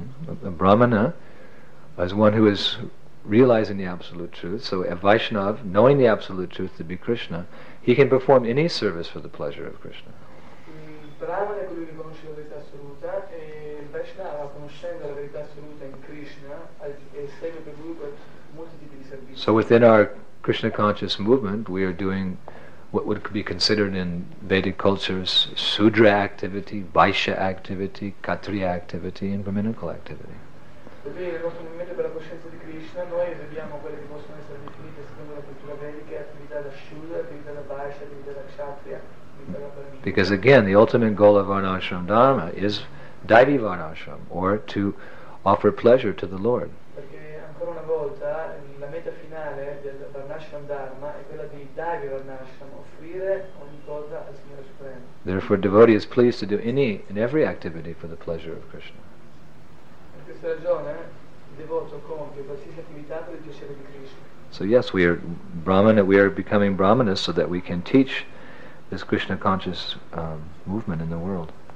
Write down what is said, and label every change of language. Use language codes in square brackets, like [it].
[en] A Brahmana is one who is realizing the Absolute Truth. So a Vaishnava, knowing the Absolute Truth to be Krishna, he can perform any service for the pleasure of Krishna. [it] Brahmana è colui che conosce la verità assoluta e Vaishnava, conoscendo la verità assoluta in Krishna, è segue per lui per molti tipi di servizi. [en] So within our Krishna conscious movement, we are doing what would be considered in Vedic cultures Sudra activity, Vaishya activity, Kshatriya activity, and Brahminical activity. [it] Quindi nel nostro movimento per la coscienza di Krishna noi eseguiamo quelle che possono essere definite secondo la cultura vedica attività da Sudra, attività da Vaishya, attività da Kshatriya. [en] Because again, the ultimate goal of Varnashram Dharma is Daivi Varnashram, or to offer pleasure to the Lord. [it] Perché ancora una volta la meta finale del Varnashram Dharma è quella di Daivi Varnashram, offrire ogni cosa al Signore Supremo. [en] Therefore, a devotee is pleased to do any and every activity for the pleasure of Krishna. [it] Per questa ragione, il devoto compie qualsiasi attività per il piacere di Krishna. [en] So yes, we are Brahmana. We are becoming Brahmanas so that we can teach this Krishna conscious movement in the world.